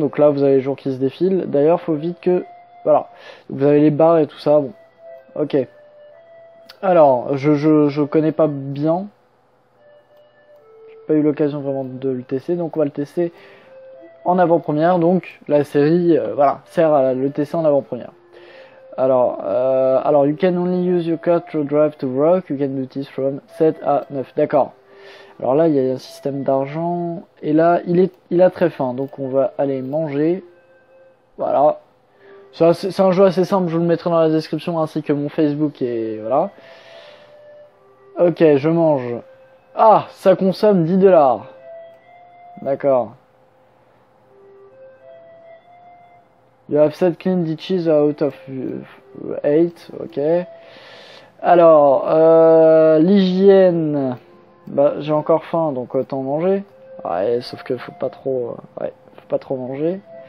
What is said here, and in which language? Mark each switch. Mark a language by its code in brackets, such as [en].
[fr] Donc là vous avez les jours qui se défilent. D'ailleurs, faut vite que. Voilà, vous avez les barres et tout ça. Bon, ok. Alors, je connais pas bien. J'ai pas eu l'occasion vraiment de le tester, donc on va le tester en avant-première. Donc la série, voilà, sert à le tester en avant-première. Alors, [en] you can only use your car to drive to work, you can do this from 7 [fr] à 9, d'accord. Alors là, il y a un système d'argent, et là, il a très faim, donc on va aller manger. Voilà. C'est un jeu assez simple, je vous le mettrai dans la description, ainsi que mon Facebook, et voilà. Ok, je mange. Ah, ça consomme 10 dollars. D'accord. [en] You have said clean ditches out of 8, ok. [fr] Alors, l'hygiène. Bah, j'ai encore faim, donc autant manger. Ouais, sauf que faut pas trop. Ouais, faut pas trop manger.